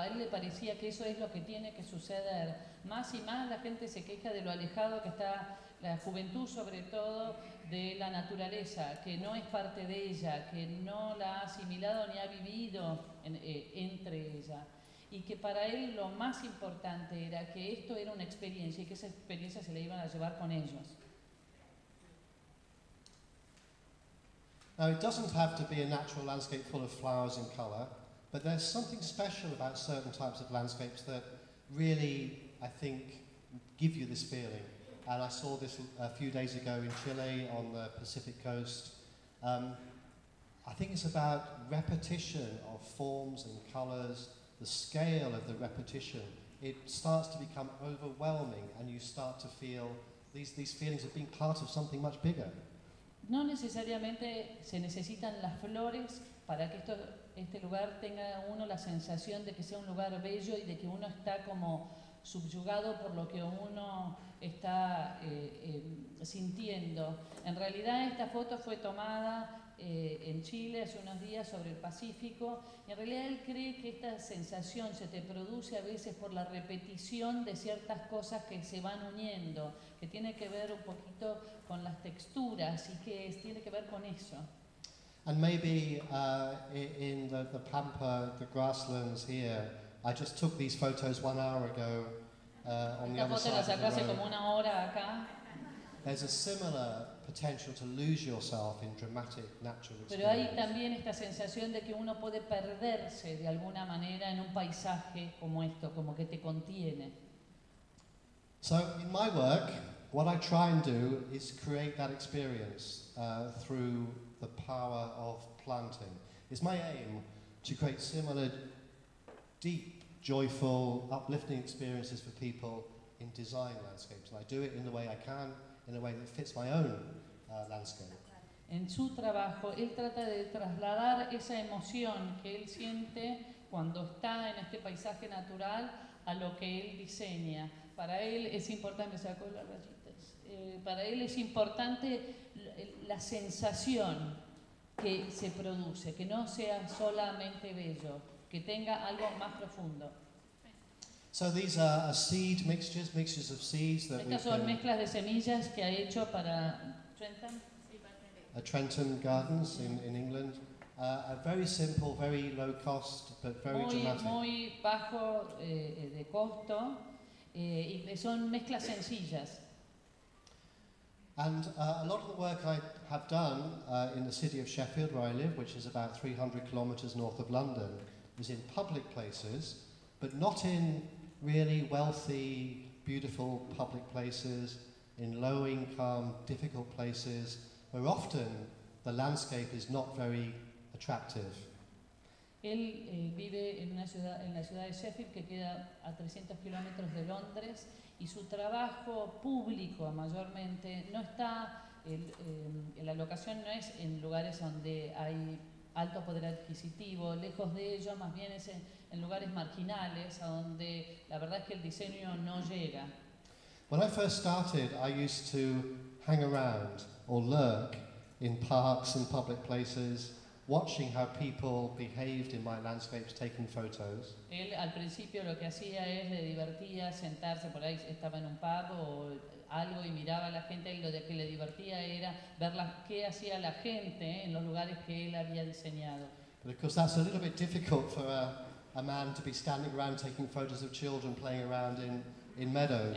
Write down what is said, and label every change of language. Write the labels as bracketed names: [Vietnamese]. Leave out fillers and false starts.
[Spanish] A él le parecía que eso es lo que tiene que suceder. Más y más la gente se queja de lo alejado que está la juventud, sobre todo de la naturaleza, que no es parte de ella, que no la ha asimilado ni ha vivido entre ella. Y que para él lo más importante era que esto era una experiencia y que esa experiencia se la iban a llevar con ellos. [English] Now, it doesn't have to be a natural landscape full of flowers and colour, but there's something special about certain types of landscapes that really, I think, give you this feeling. And I saw this a few days ago in Chile on the Pacific coast. I think it's about repetition of forms and colours, the scale of the repetition. It starts to become overwhelming and you start to feel these feelings of being part of something much bigger. [Spanish] No necesariamente se necesitan las flores para que este lugar tenga uno la sensación de que sea un lugar bello y de que uno está como subyugado por lo que uno está sintiendo. En realidad esta foto fue tomada en Chile hace unos días sobre el Pacífico y en realidad él cree que esta sensación se te produce a veces por la repetición de ciertas cosas que se van uniendo, que tiene que ver un poquito con las texturas y que tiene que ver con eso. [English] And maybe in the pampa, the grasslands here, I just took these photos 1 hour ago on the other side of the road. There's a similar potential to lose yourself in dramatic natural experience. [Spanish] Pero hay también esta sensación de que uno puede perderse de alguna manera en un paisaje como esto, como que te contiene. [English] So in my work, what I try and do is create that experience through the power of planting. It's my aim to create similar deep, joyful, uplifting experiences for people in design landscapes. And I do it in the way I can, in a way that fits my own landscape. [Spanish] En su trabajo, él trata de trasladar esa emoción que él siente cuando está en este paisaje natural a lo que él diseña. Para él es importante, sacó las rayitas. Para él es importante la sensación que se produce, que no sea solamente bello, que tenga algo más profundo. [English] So these are seed mixtures, mixtures of seeds that [Spanish] estas son mezclas de semillas que ha hecho para Trenton. [English] A Trenton Gardens in England. A very simple, very low cost, but very [Spanish] muy, [English] dramatic. [Spanish] Muy bajo de costo y son mezclas sencillas. [English] And a lot of the work I have done in the city of Sheffield where I live, which is about 300 kilometers north of London, is in public places, but not in really wealthy, beautiful public places, in low income, difficult places, where often the landscape is not very attractive. [Spanish] Él vive en una ciudad, en la ciudad de Sheffield, que queda a 300 kilómetros de Londres, y su trabajo público mayormente no está, la locación no es en lugares donde hay alto poder adquisitivo, lejos de ello, más bien es en lugares marginales, a donde la verdad es que el diseño no llega. [English] When I first started, I used to hang around or lurk in parks and public places, watching how people behaved in my landscapes, taking photos. [Spanish] Él al principio lo que hacía es le divertía sentarse por ahí, estaba en un pub o algo y miraba a la gente, y lo de que le divertía era ver la, qué hacía la gente en los lugares que él había diseñado. [English] But of course, that's a little bit difficult for a man to be standing around taking photos of children playing around in meadows.